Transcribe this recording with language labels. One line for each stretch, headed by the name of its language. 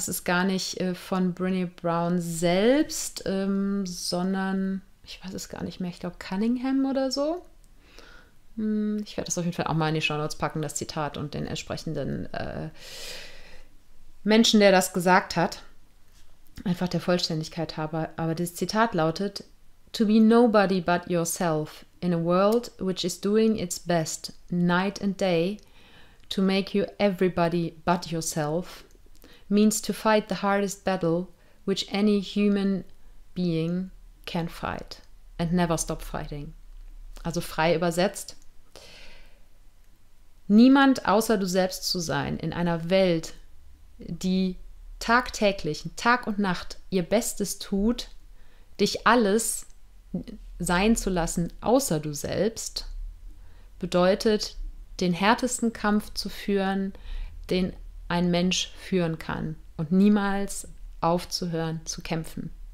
German: Das ist gar nicht von Brené Brown selbst, sondern ich weiß es gar nicht mehr. Ich glaube Cunningham oder so. Ich werde das auf jeden Fall auch mal in die Shownotes packen, das Zitat und den entsprechenden Menschen, der das gesagt hat. Einfach der Vollständigkeit habe. Aber das Zitat lautet:
English: To be nobody but yourself in a world which is doing its best night and day to make you everybody but yourself means to fight the hardest battle which any human being can fight and never stop fighting.
German: Also frei übersetzt: Niemand außer du selbst zu sein in einer Welt, die tagtäglich, Tag und Nacht ihr Bestes tut, dich alles sein zu lassen, außer du selbst, bedeutet, den härtesten Kampf zu führen, den ein Mensch führen kann und niemals aufzuhören zu kämpfen.